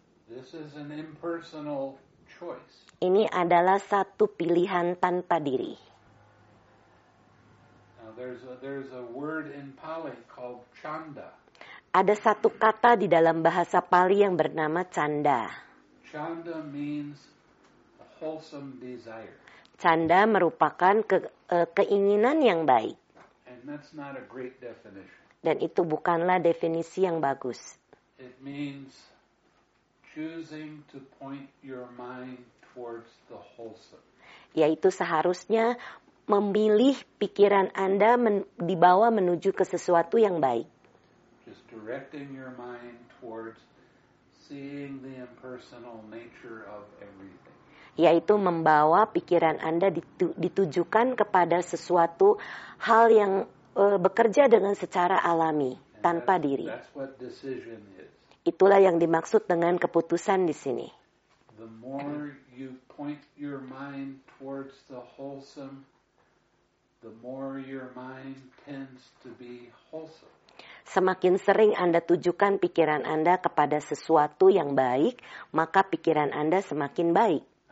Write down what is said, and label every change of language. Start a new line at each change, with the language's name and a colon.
English: This is an impersonal choice.
Indonesian: Ini adalah satu pilihan tanpa diri.
English: Now there's a word in Pali called chanda.
Indonesian: Ada satu kata di dalam bahasa Pali yang bernama canda.
English: Canda means wholesome desire.
Indonesian: Canda merupakan keinginan yang baik.
English: And that's not a great definition.
Indonesian: Dan itu bukanlah definisi yang bagus.
English: It means choosing to point your mind towards the wholesome.
Indonesian: Yaitu seharusnya memilih pikiran Anda dibawa menuju ke sesuatu yang baik.
English: Directing your mind towards seeing the impersonal nature of everything.
Indonesian: Yaitu membawa pikiran Anda ditujukan kepada sesuatu hal yang bekerja dengan secara alami, tanpa diri.
English: That's what decision is.
Indonesian: Itulah yang dimaksud dengan keputusan di sini.
English: The more you point your mind towards the wholesome, the more your mind tends to be wholesome.
Indonesian: Semakin sering Anda tujukan pikiran Anda kepada sesuatu yang baik, maka pikiran Anda semakin baik.